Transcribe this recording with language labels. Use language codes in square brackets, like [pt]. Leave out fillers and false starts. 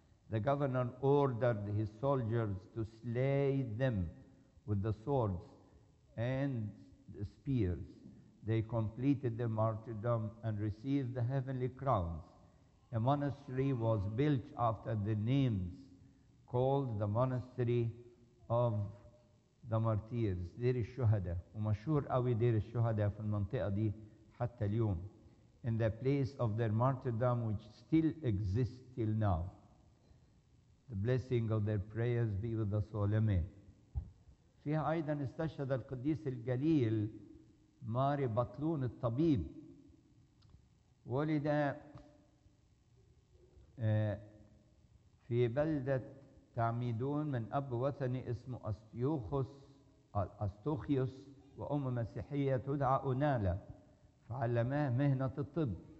[en] The governor ordered his soldiers to slay them with the swords and the spears. They completed the martyrdom and received the heavenly crowns. A monastery was built after the names, called the Monastery of the Martyrs, دير الشهداء. [ar] ومشهور قوي دير الشهداء في المنطقة دي حتى اليوم. [en] In the place of their martyrdom, which still exists till now. The blessing of their prayers be with us all. Amen. [ar] فيها أيضا استشهد القديس الجليل ماري بطلون الطبيب. ولد في بلدة تعميدون من أب وثني اسمه أستيوخوس أستوخيوس وأم مسيحية تدعى أونالا، فعلماه مهنة الطب.